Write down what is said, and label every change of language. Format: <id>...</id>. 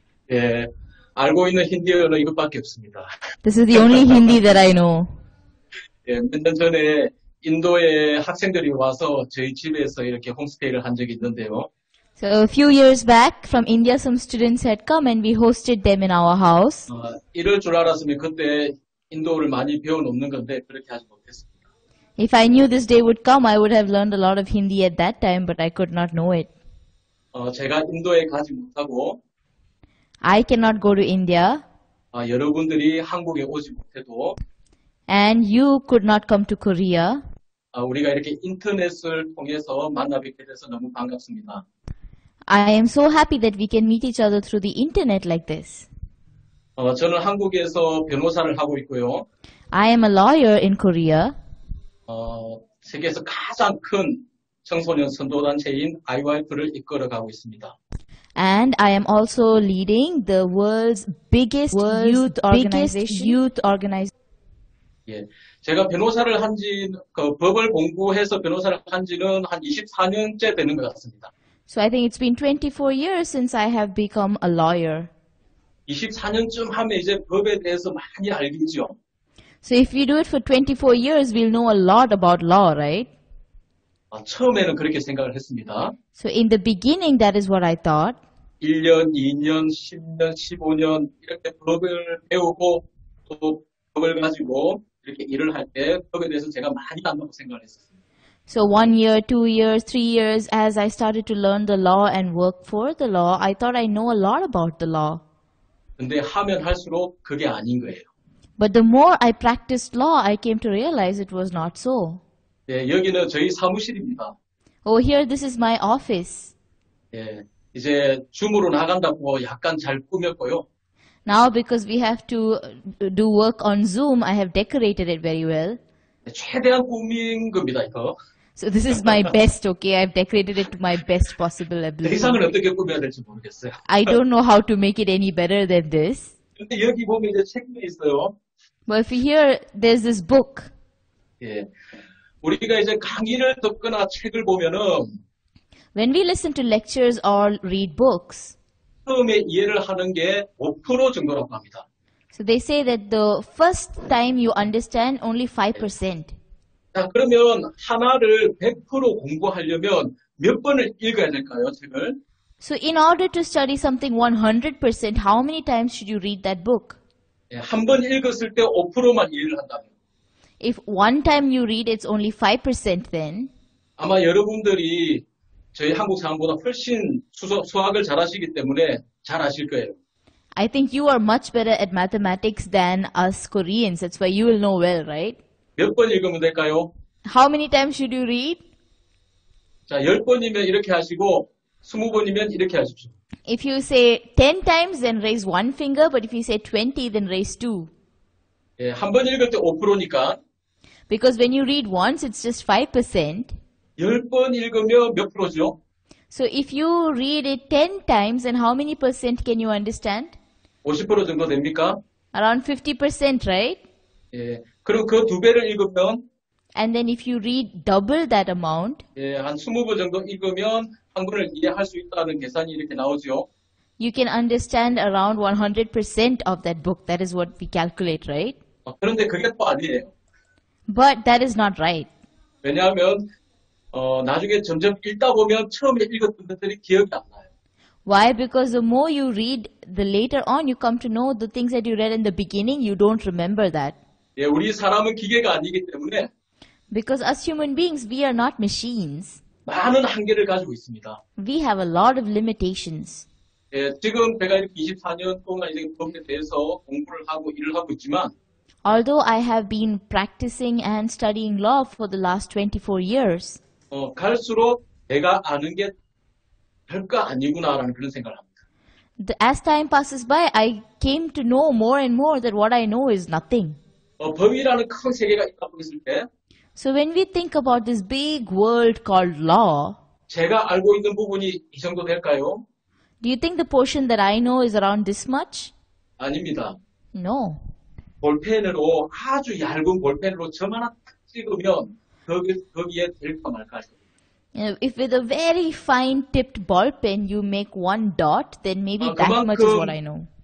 <ko>예, 알고 있는 힌디어는 이것밖에 없습니다.</ko> <en>This is the only Hindi that I know.</en> <ko>예, 몇 년 전에 인도의 학생들이 와서 저희 집에서 이렇게 홈스테이를 한 적이 있는데요.</ko> <en>So a few years back, from India, some students had come and we hosted them in our house.</en> <ko>이럴 줄 알았으면 그때 인도를 많이 배워놓는 건데 그렇게 하지 못했습니다.</ko> <en>If I knew this day would come, I would have learned a lot of Hindi at that time, but I could not know it.</en> <ko>제가 인도에 가지 못하고</ko> <en>I cannot go to India.</en> <ko>여러분들이 한국에 오지 못해도</ko> <en>And you could not come to Korea.</en> <ko>우리가 이렇게 인터넷을 통해서 만나 뵙게 돼서 너무 반갑습니다.</ko> <en>I am so happy that we can meet each other through the internet like this.</en> <ko>저는 한국에서 변호사를 하고 있고요.</ko> <en>I am a lawyer in Korea.</en> <ko>세계에서 가장 큰 청소년 선도단체인 IYF를 이끌어가고 있습니다.</ko> <en>And I am also leading the world's youth organization.</en> <ko>예, 제가 변호사를 한지 그 법을 공부해서 변호사를 한지는 한 24년째 되는 것 같습니다.</ko> <en>So I think it's been 24 years since I have become a lawyer.</en> <ko>24년쯤 하면 이제 법에 대해서 많이 알겠죠.</ko> <en>So if we do it for 24 years, we'll know a lot about law, right?</en> <ko>처음에는 그렇게 생각을 했습니다.</ko> <en>So in the beginning, that is what I thought.</en> <ko>1년, 2년, 10년, 15년 이렇게 법을 배우고 또 법을 가지고 이렇게 일을 할 때 법에 대해서 제가 많이 안다고 생각을 했었습니다.</ko> <en>So 1 year, 2 years, 3 years, as I started to learn the law and work for the law, I thought I know a lot about the law.</en> <ko>근데 하면 할수록 그게 아닌 거예요.</ko> <en>But the more I practiced law, I came to realize it was not so.</en> <ko>예, 여기는 저희 사무실입니다.</ko> <en>Oh, here this is my office.</en> <ko>예, 이제 줌으로 나간다고 약간 잘 꾸몄고요.</ko> <en>Now because we have to do work on Zoom, I have decorated it very well.</en> <ko>예, 최대한 꾸민 겁니다, 이거.</ko> <en>So this is my best, okay? I've decorated it to my best possible ability.</en> <ko>더 이상은 어떻게 꾸며야 될지 모르겠어요.</ko> <en>I don't know how to make it any better than this.</en> <ko>근데 여기 보면 이제 책도 있어요.</ko> <en>But if you hear, there's this book.</en> <ko>예, 우리가 이제 강의를 듣거나 책을 보면은</ko> <en>When we listen to lectures or read books,</en> <ko>처음에 이해를 하는 게 5% 정도라고 합니다.</ko> <en>So they say that the first time you understand only 5%.</en> <ko>자, 그러면 하나를 100% 공부하려면 몇 번을 읽어야 될까요, 책을?</ko> <en>So in order to study something 100%, how many times should you read that book?</en> <ko>예, 한번 읽었을 때 5%만 이해를 한다면.</ko> <en>If one time you read, it's only 5% then.</en> <ko>아마 여러분들이 저희 한국 사람보다 훨씬 수학을 잘하시기 때문에 잘 아실 거예요.</ko> <en>I think you are much better at mathematics than us Koreans. That's why you will know well, right?</en> <ko>몇 번 읽으면 될까요?</ko> <en>How many times should you read?</en> <ko>자, 열 번이면 이렇게 하시고 20번이면 이렇게 하십시오.</ko> <en>If you say 10 times, then raise one finger. But if you say 20, then raise two.</en> <ko>예, 한번 읽을 때 5%니까.</ko> <en>Because when you read once, it's just 5%.</en> <ko>10번 읽으면 몇 프로죠?</ko> <en>So if you read it 10 times, then how many percent can you understand?</en> <ko>50% 정도 됩니까?</ko> <en>Around 50%, right?</en> <ko>예, 그럼 그 두 배를 읽으면?</ko> <en>And then if you read double that amount?</en> <ko>예, 한 20번 정도 읽으면? 한 번을 이해할 수 있다는 계산이 이렇게 나오죠.</ko> <en>you can understand around 100% of that book. That is what we calculate, right?</en> <ko>그런데 그게 또 아니에요.</ko> <en>But that is not right.</en> <ko>왜냐하면 나중에 점점 읽다 보면 처음에 읽었던 것들이 기억이 안 나요.</ko> <en>Why? Because the more you read, the later on you come to know the things that you read in the beginning, you don't remember that.</en> <ko>예, 우리 사람은 기계가 아니기 때문에.</ko> <en>Because us human beings, we are not machines.</en> <ko>많은 한계를 가지고 있습니다.</ko> <en>We have a lot of limitations.</en> <ko>예, 지금 제가 24년 동안 이제 법에 대해서 공부를 하고 일을 하고 있지만.</ko> <en>Although I have been practicing and studying law for the last 24 years.</en> <ko>갈수록 내가 아는 게 별거 아니구나라는 그런 생각을 합니다.</ko> <en>As time passes by, I came to know more and more that what I know is nothing.</en> <ko>법이라는 큰 세계가 있다 보겠을 때.</ko> <en>So when we think about this big world called law.</en> <ko>제가 알고 있는 부분이 이 정도 될까요?</ko> <en>Do you think the portion that I know is around this much?</en> <ko>아닙니다.</ko> <en>No.</en> <ko>볼펜으로 아주 얇은 볼펜으로 점 하나 딱 찍으면 거기에 될까 말까 싶어요.</ko> <en>If with a very fine tipped ball pen you make one dot, then maybe that much is what I know.</en>